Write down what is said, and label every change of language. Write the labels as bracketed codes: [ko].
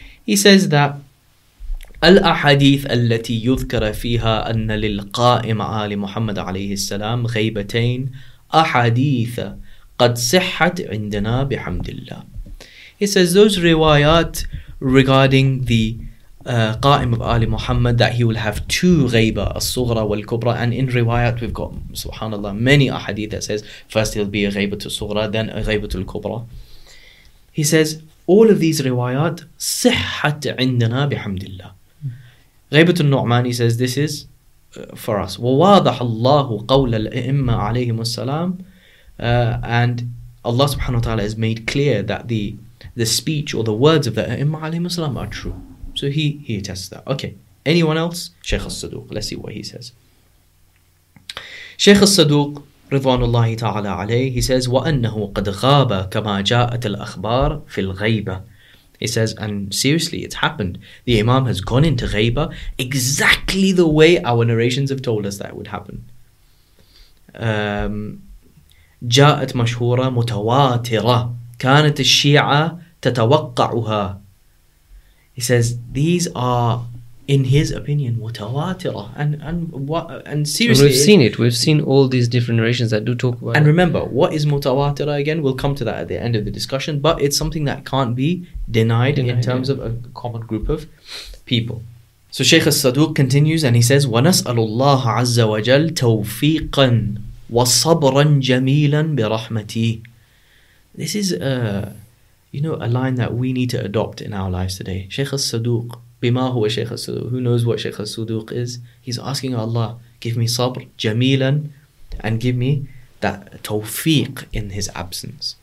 [en] He says that [ar] الأحاديث التي يذكر فيها أن للقائم آل محمد عليه السلام غيبتين أحاديث قد صحت عندنا بحمد الله. [en] He says those riwayat regarding the Qa'im of Ali Muhammad, that he will have two ghaiba, al-sughra wal-kubra, and in riwayat we've got, subhanAllah, many ahadith that says first he'll be a ghaiba to sughra, then a ghaiba to al-kubra. He says all of these riwayat [ar] صحت عندنا بحمد الله. [en] Ghaibat al-Nu'mani says this is for us. [ar] وَوَاضَحَ اللَّهُ قَوْلَ الْأَئِمَّةِ عَلَيْهِمُ السَّلَامِ, [en] and Allah subhanahu wa ta'ala has made clear that the speech or the words of the A'imma alayhi salam are true. So he attests that. Okay. Anyone else? Shaykh al-Saduq. Let's see what he says. [ar] Shaykh al-Saduq, Ridwanullahi ta'ala alayhi, [en] he says, [ar] وَأَنَّهُ قَدْ غَابَ كَمَا جَاءَتَ الْأَخْبَارِ فِي الْغَيْبَةِ. [en] He says, and seriously, it's happened. The Imam has gone into ghaybah exactly the way our narrations have told us that it would happen. [ar] جاءت مشهورة متواترة كانت الشيعة تتوقعها. [en] He says, these are in his opinion, mutawatirah. And seriously, we've seen it. We've seen all these different narrations that do talk about. And remember, what is mutawatirah again? We'll come to that at the end of the discussion. But it's something that can't be denied in terms of a common group of people. So Shaykh al-Saduq continues and he says, [ar] وَنَسْأَلُ اللَّهَ عَزَّ وَجَلْ تَوْفِيقًا وَصَبْرًا جَمِيلًا بِرَحْمَتِهِ. [en] This is a line that we need to adopt in our lives today. Shaykh al-Saduq, bima huwa Shaykh al-Saduq, who knows what Shaykh al-Saduq is? He's asking Allah, give me sabr, jameelan, and give me that tawfiq in his absence.